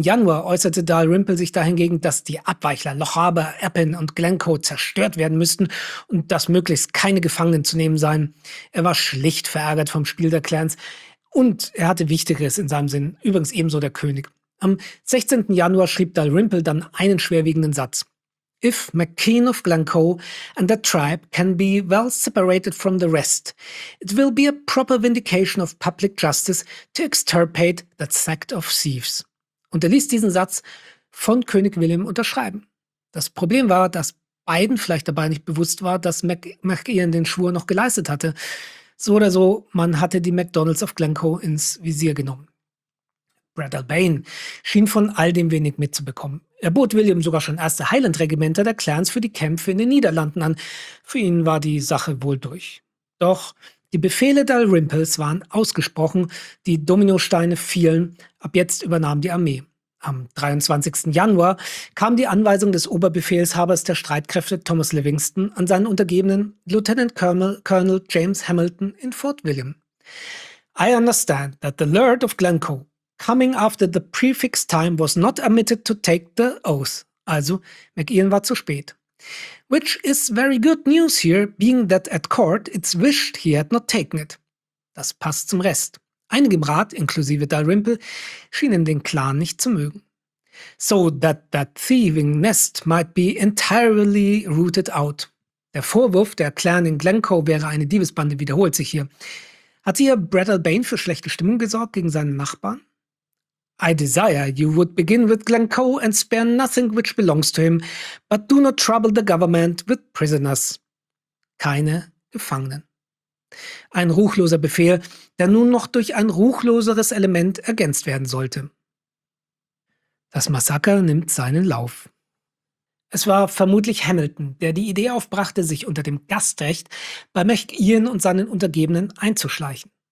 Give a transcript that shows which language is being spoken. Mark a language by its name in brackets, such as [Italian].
[German] Januar äußerte Dalrymple sich dahingegen, dass die Abweichler Lochaber, Appin und Glencoe zerstört werden müssten und dass möglichst keine Gefangenen zu nehmen seien. Er war schlicht verärgert vom Spiel der Clans und er hatte Wichtigeres in seinem Sinn, übrigens ebenso der König. Am 16. Januar schrieb Dalrymple dann einen schwerwiegenden Satz. [English] If MacKean of Glencoe and the tribe can be well separated from the rest, it will be a proper vindication of public justice to extirpate that sect of thieves. [German] Und er ließ diesen Satz von König William unterschreiben. Das Problem war, dass beiden vielleicht dabei nicht bewusst war, dass MacKean den Schwur noch geleistet hatte. So oder so, man hatte die MacDonalds of Glencoe ins Visier genommen. Breadalbane schien von all dem wenig mitzubekommen. Er bot William sogar schon erste Highland-Regimenter der Clans für die Kämpfe in den Niederlanden an. Für ihn war die Sache wohl durch. Doch die Befehle Dalrymples waren ausgesprochen, die Dominosteine fielen, ab jetzt übernahm die Armee. Am 23. Januar kam die Anweisung des Oberbefehlshabers der Streitkräfte Thomas Livingston an seinen Untergebenen Lieutenant Colonel James Hamilton in Fort William. [English] I understand that the Laird of Glencoe coming after the prefix time was not admitted to take the oath. [German] Also, MacIan war zu spät. [English] Which is very good news here, being that at court it's wished he had not taken it. [German] Das passt zum Rest. Einige im Rat, inklusive Dalrymple, schienen den Clan nicht zu mögen. [English] So that thieving nest might be entirely rooted out. [German] Der Vorwurf, der Clan in Glencoe wäre eine Diebesbande, wiederholt sich hier. Hat hier Brattle Bane für schlechte Stimmung gesorgt gegen seinen Nachbarn? [English] I desire you would begin with Glencoe and spare nothing which belongs to him, but do not trouble the government with prisoners. [German] Keine Gefangenen. Ein ruchloser Befehl, der nun noch durch ein ruchloseres Element ergänzt werden sollte. Das Massaker nimmt seinen Lauf. Es war vermutlich Hamilton, der die Idee aufbrachte, sich unter dem Gastrecht bei McIan und seinen Untergebenen einzuschleichen.